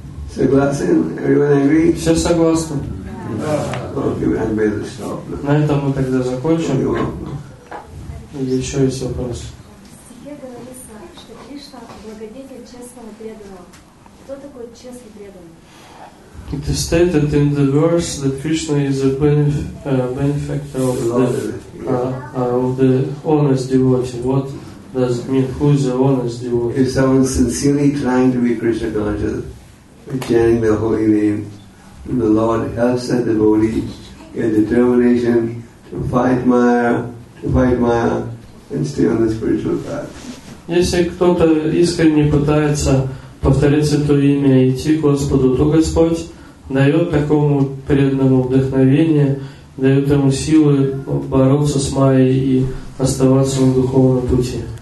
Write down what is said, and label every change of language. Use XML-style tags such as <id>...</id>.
<ru>Все согласны?</ru> <en>Yeah.</en> <ru>На этом мы тогда закончим. Или еще есть вопрос? Стихе говорится, что Кришна благодетель честного преданного. Кто такой честный преданный?</ru> <en>It is stated in the verse that Krishna is a benefactor of the honest devotee. What does it mean? Who is the honest devotee? If someone sincerely trying to be Krishna conscious, chanting the holy name, the Lord helps that devotee get determination to fight Maya, and stay on the spiritual path.</en> <ru>Если кто-то искренне пытается повторить Святое Имя и идти к Господу, то Господь дает такому преданному вдохновение, дает ему силы бороться с Майей и оставаться на духовном пути.</ru>